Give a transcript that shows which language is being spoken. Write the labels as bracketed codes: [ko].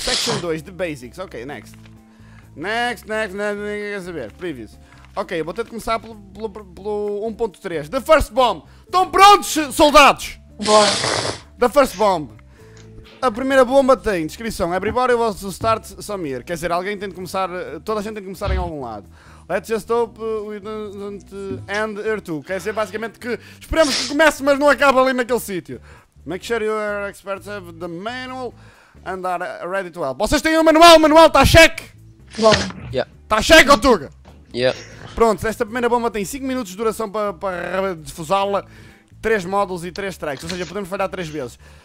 [en] Section 2, the basics. Ok, next. Next, [pt] ninguém quer saber. [en] Previous. [pt] Ok, eu vou ter de começar pelo 1.3. [en] The first bomb. [pt] Estão prontos, soldados? Bora. [en] The first bomb. [pt] A primeira bomba tem descrição: [en] everybody wants to start somewhere. [pt] Quer dizer, alguém tem de começar, toda a gente tem de começar em algum lado. [en] Let's just hope we don't end here too. [pt] Quer dizer, basicamente, que esperemos que comece, mas não acabe ali naquele sítio. [en] Make sure your experts have the manual and are ready to help. [pt] Vocês têm o manual, está cheque? Bom. Está cheque, Otuga? [en] Yeah. [pt] Pronto, esta primeira bomba tem 5 minutos de duração para defusá-la, 3 módulos e 3 strikes, ou seja, podemos falhar 3 vezes.